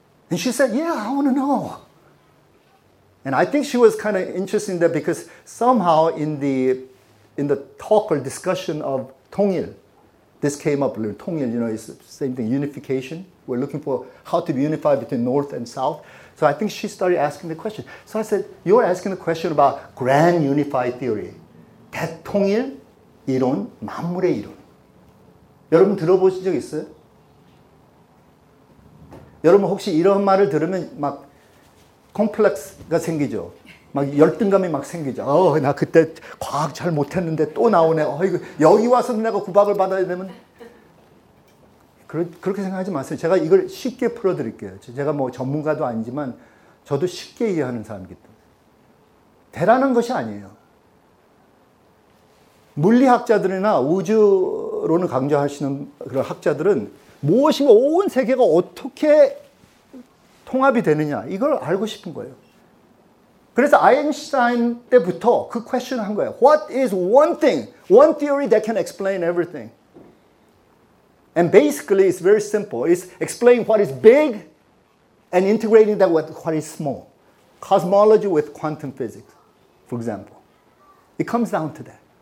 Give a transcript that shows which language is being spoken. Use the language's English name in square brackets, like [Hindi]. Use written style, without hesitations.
[English] And she said, yeah, I want to know. And I think she was kind of interested in that because somehow in the talk or discussion of 통일, this came up, 통일, you know, it's the same thing, unification. We're looking for how to be unified between North and South. So I think she started asking the question. So I said, you're asking the question about grand unified theory. [Korean] 대통일 이론, 만물의 이론. 여러분 들어보신 적 있어요? 여러분 혹시 이런 말을 들으면 막 콤플렉스가 생기죠? 막 열등감이 막 생기죠? 나 그때 과학 잘 못했는데 또 나오네. 이거 여기 와서 내가 구박을 받아야 되면. 그렇게 생각하지 마세요. 제가 이걸 쉽게 풀어드릴게요. 제가 뭐 전문가도 아니지만 저도 쉽게 이해하는 사람이기 때문에. 대단한 것이 아니에요. 물리학자들이나 우주론을 강조하시는 그런 학자들은 무엇인가 온 세계가 어떻게 통합이 되느냐 이걸 알고 싶은 거예요. 그래서 아인슈타인 때부터 그 퀘스천을 한 거예요. [English] What is one thing, one theory that can explain everything? And basically, it's very simple. It's explaining what is big and integrating that with what is small. Cosmology with quantum physics, for example. It comes down to that.